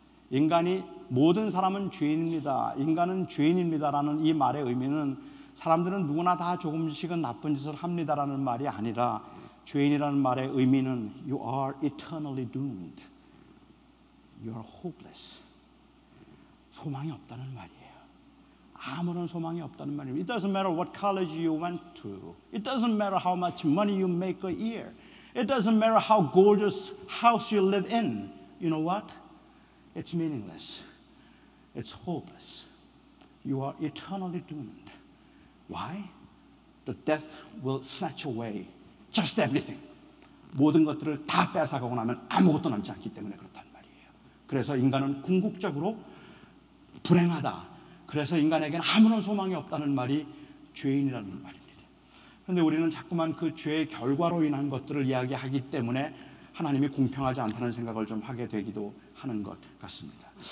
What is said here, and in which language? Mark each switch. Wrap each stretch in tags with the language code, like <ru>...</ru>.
<ko>인간이 모든 사람은 죄인입니다. 인간은 죄인입니다라는 이 말의 의미는 사람들은 누구나 다 조금씩은 나쁜 짓을 합니다라는 말이 아니라 죄인이라는 말의 의미는</ko> <en>You are eternally doomed. You are hopeless.</en> <ko>소망이 없다는 말이에요. 아무런 소망이 없다는 말이에요.</ko> <en>It doesn't matter what college you went to. It doesn't matter how much money you make a year. It doesn't matter how gorgeous house you live in. You know what? It's meaningless. It's hopeless. You are eternally doomed. Why? The death will snatch away just everything.</en> <ko>모든 것들을 다 뺏어가고 나면 아무것도 남지 않기 때문에 그렇단 말이에요. 그래서 인간은 궁극적으로 불행하다. 그래서 인간에게는 아무런 소망이 없다는 말이 죄인이라는 말입니다. 그런데 우리는 자꾸만 그 죄의 결과로 인한 것들을 이야기하기 때문에 하나님이 공평하지 않다는 생각을 좀 하게 되기도 하는 것 같습니다.</ko>